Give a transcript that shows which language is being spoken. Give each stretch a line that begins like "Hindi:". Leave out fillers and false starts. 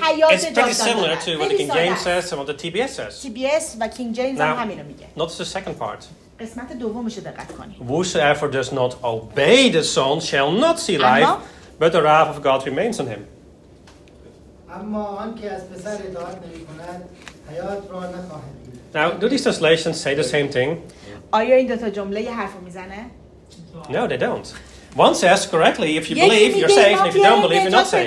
English: it's pretty similar to what the King James says and what the TBS says. TBS and King James now, not the second part.
Persian: قسمت دومش دقت کنید.
English: Whosoever does not obey the Son shall not see life, but the wrath of God remains on him.
Persian: اما آن که از پسر اطاعت نمی‌کند حیات را نخواهد دید.
English: Now, do these translations say the same thing?
Persian: آیا این دو تا جمله حرفو میزنه؟
English: No, they don't. One says correctly, if you believe, you're saved. If you don't believe, you're not saved.